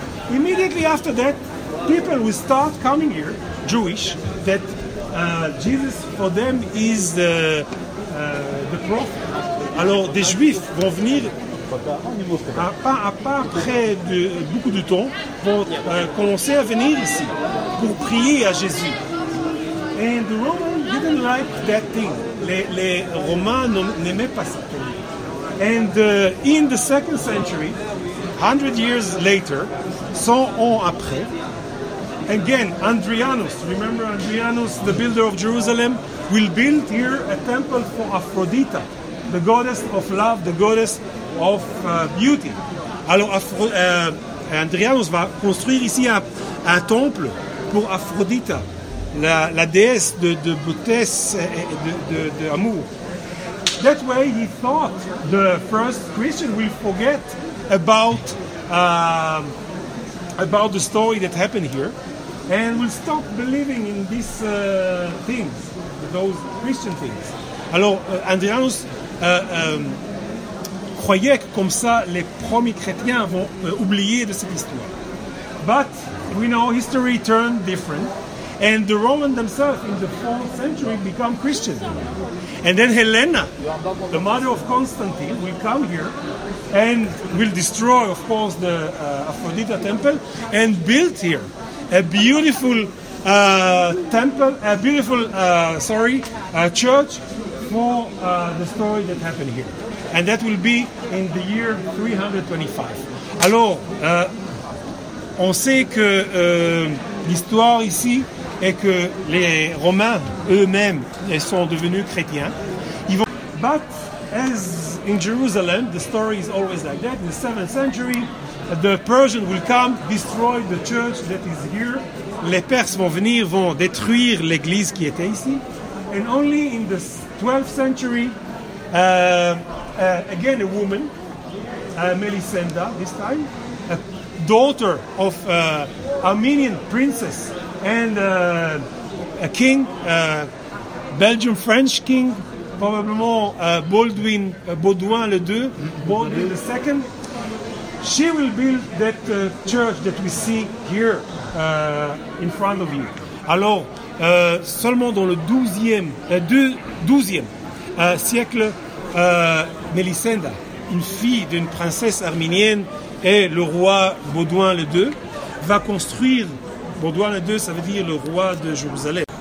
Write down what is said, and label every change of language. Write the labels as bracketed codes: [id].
[en] Immediately after that, people will start coming here, Jewish, that Jesus for them is the prophet. [fr] Alors, des Juifs vont venir pas après de, beaucoup de temps pour commencer à venir ici pour prier à Jésus. [en] And the Romans didn't like that thing. [fr] Les Romains n'aimaient pas ça. [en] And in the second century, 100 years later, [fr] 100 ans après, [en] again, Andrianus, remember Andrianus, the builder of Jerusalem, will build here a temple for Aphrodite, the goddess of love, the goddess of beauty. [fr] Alors, Andrianus va construire ici un temple pour Aphrodite, la déesse de beauté et de amour. [en] That way, he thought the first Christian will forget about the story that happened here, and will stop believing in these things, those Christian things. [fr] Alors, Andrianus croyait que comme ça, les premiers chrétiens vont oublier de cette histoire. [en] But we know history turned different. And the Romans themselves, in the 4th century, become Christians. And then Helena, the mother of Constantine, will come here and will destroy, of course, the Aphrodite temple and build here a beautiful temple, a beautiful, a church for the story that happened here. And that will be in the year 325. [fr] Alors, on sait que l'histoire ici et que les Romains eux-mêmes sont devenus chrétiens. Ils vont... [en] But as in Jerusalem, the story is always like that. In the 7th century, the Persians will come, destroy the church that is here. [fr] Les Perses vont venir, vont détruire l'église qui était ici. [en] And only in the 12th century, again a woman, Melisenda this time, a daughter of an Armenian princess, and a king, Belgian French king, probably Baudouin le II, Baudouin the II. She will build that church that we see here in front of you. [fr] Alors, seulement dans le 12e siècle, Melisenda, une fille d'une princesse arménienne et le roi Baudouin le II, va construire. Baudouin II, ça veut dire le roi de Jérusalem.